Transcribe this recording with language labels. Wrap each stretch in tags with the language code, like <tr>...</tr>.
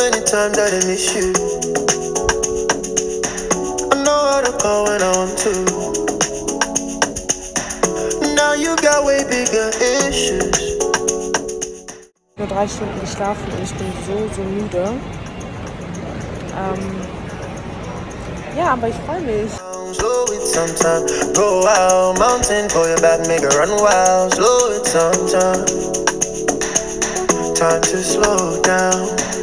<en>Times that I miss you, I know how to call when I want to. Now you got way bigger issues.</en> <de>Nur 3 Stunden geschlafen und ich bin so, so müde. Ja, aber ich freue mich.</de> <en>Slow it sometime, go out mountain, pull your back, make it run wild. Slow it sometime, time to slow down.</en>